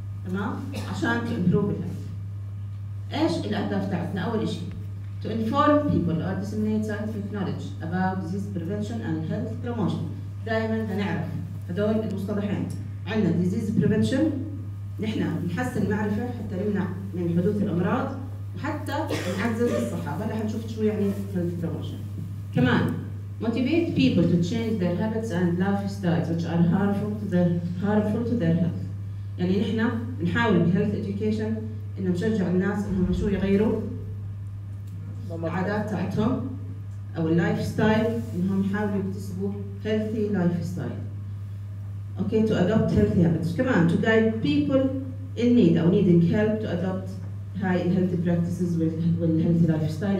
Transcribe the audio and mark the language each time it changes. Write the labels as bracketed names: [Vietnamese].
[Arabic] تمام؟ عشان [English] to improve [Arabic] الهدف. إيش الأهداف تاعتنا؟ أول إشي [English] to inform people or disseminate scientific knowledge about disease prevention and health promotion. [Arabic] دائماً هنعرف هدول المصطلحين. عندنا disease prevention، نحن نحسن المعرفة حتى نمنع من حدوث الأمراض، وحتى نعزز الصحة. هلا حنشوف شو يعني health promotion. [English] كمان motivate people to change their habits and lifestyles which are harmful to their health. [Arabic] يعني نحن نحاول بhealth education إن نشجع الناس إنهم شو يغيروا العادات تاعتهم أو lifestyle، إنهم يحاولوا يكتسبوا healthy lifestyle. [English] Okay, to adopt healthy habits. Come on, to guide people in need or needing help to adopt high healthy practices with healthy lifestyle.